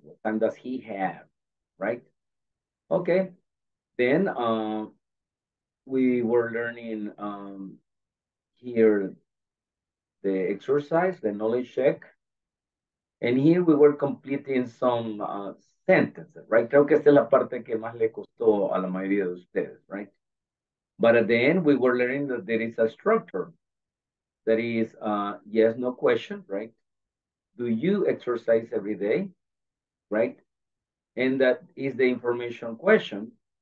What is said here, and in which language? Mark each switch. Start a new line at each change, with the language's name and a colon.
English: What time does he have, right? Okay. Then we were learning here the exercise, the knowledge check. And here we were completing some sentences, right?
Spanish: Creo que esta es la parte que más le costó a la mayoría de ustedes, right?
English: But at the end, we were learning that there is a structure that is yes, no question, right? Do you exercise every day, right? And that is the information question.